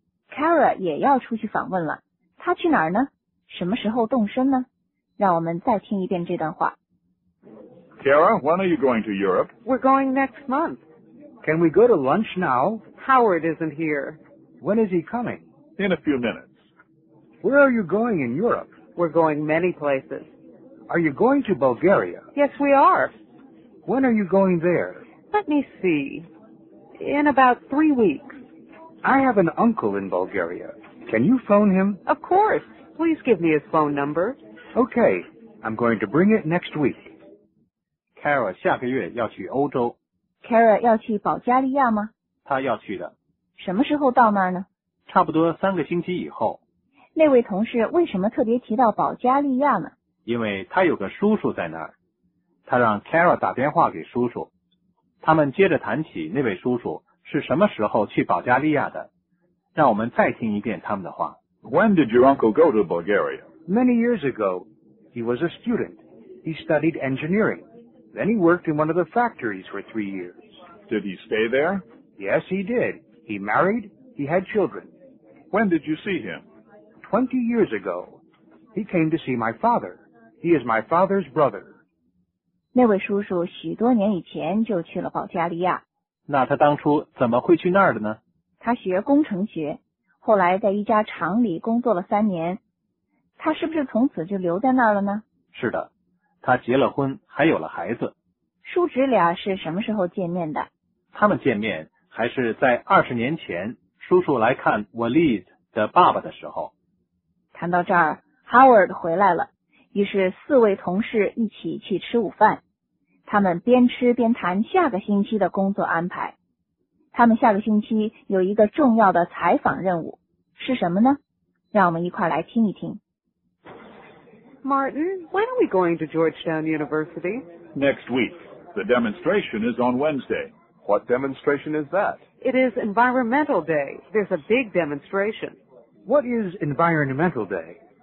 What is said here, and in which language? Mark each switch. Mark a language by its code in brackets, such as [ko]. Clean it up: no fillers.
[zh] Kara 也要出去访问了，他去哪儿呢？什么时候动身呢？让我们再听一遍这段话。 [en] Kara, when are you going to Europe? We're going next month. Can we go to lunch now? Howard isn't here. When is he coming? In a few minutes. Where are you going in Europe? We're going many places. Are you going to Bulgaria? Yes, we are. When are you going there? Let me see. In about 3 weeks. I have an uncle in Bulgaria. Can you phone him? Of course. Please give me his phone number. Okay. I'm going to bring it next week. [zh] Kara 下个月要去欧洲。 Kara 要去保加利亚吗？他要去的。什么时候到那儿呢？差不多3个星期以后。那位同事为什么特别提到保加利亚呢？因为他有个叔叔在那儿。他让 Kara 打电话给叔叔。他们接着谈起那位叔叔。是什么时候去保加利亚的？让我们再听一遍他们的话。 [en] When did your uncle go to Bulgaria? Many years ago. He was a student. He studied engineering. Then he worked in one of the factories for 3 years. Did he stay there? Yes, he did. He married. He had children. When did you see him? 20 years ago. He came to see my father. He is my father's brother. [zh] 那位叔叔许多年以前就去了保加利亚。那他当初怎么会去那儿的呢？他学工程学，后来在一家厂里工作了3年。他是不是从此就留在那儿了呢？是的，他结了婚，还有了孩子。叔侄俩是什么时候见面的？他们见面还是在20年前，叔叔来看 Walid 的爸爸的时候。谈到这儿 ，Howard 回来了，于是4位同事一起去吃午饭。他们边吃边谈下个星期的工作安排。他们下个星期有一个重要的采访任务，是什么呢？让我们一块来听一听。 [en] Martin, when are we going to Georgetown University? Next week. The demonstration is on Wednesday. What demonstration is that? It is Environmental Day. There's a big demonstration. What is Environmental Day?